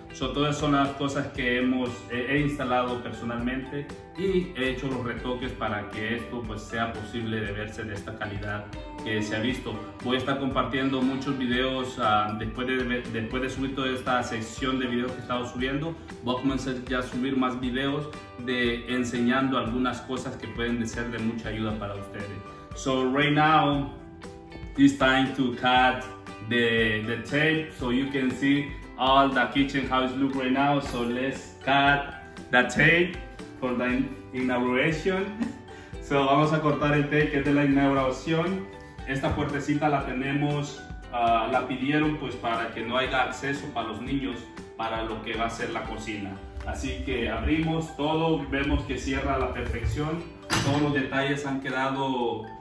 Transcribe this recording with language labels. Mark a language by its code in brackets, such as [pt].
[es] So, todas son las cosas que he instalado personalmente y he hecho los retoques para que esto, pues, sea posible de verse de esta calidad que se ha visto. Voy a estar compartiendo muchos videos después de subir toda esta sección de videos que he estado subiendo. Voy a comenzar ya a subir más videos enseñando algunas cosas que pueden ser de mucha ayuda para ustedes. [en] So right now, it's time to cut the tape so you can see all the kitchen, how it looks right now. So let's cut the tape for the inauguration. [es] So vamos a cortar el tape que es de la inauguración. Esta puertecita la tenemos, la pidieron pues para que no haya acceso para los niños para lo que va a ser la cocina. Así que abrimos todo, vemos que cierra a la perfección. Todos los detalles han quedado